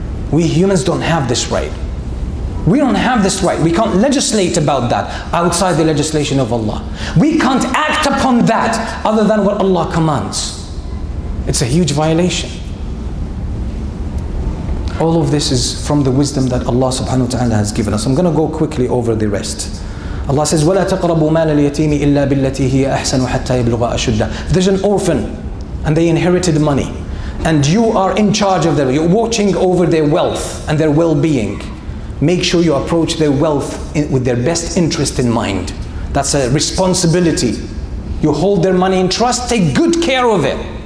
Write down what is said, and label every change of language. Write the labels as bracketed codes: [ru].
[en] We humans don't have this right. We don't have this right. We can't legislate about that outside the legislation of Allah. We can't act upon that other than what Allah commands. It's a huge violation. All of this is from the wisdom that Allah subhanahu wa ta'ala has given us. I'm going to go quickly over the rest. [ar] Allah says, وَلَا تَقْرَبُوا مَالَ الْيَتِيمِ إِلَّا بِالَّتِي هِيَ أَحْسَنُ حَتَّى يَبْلُغَ أَشُدَّهُ. [en] There's an orphan and they inherited money, and you are in charge of them. You're watching over their wealth and their well-being. Make sure you approach their wealth with their best interest in mind. That's a responsibility. You hold their money in trust, take good care of it.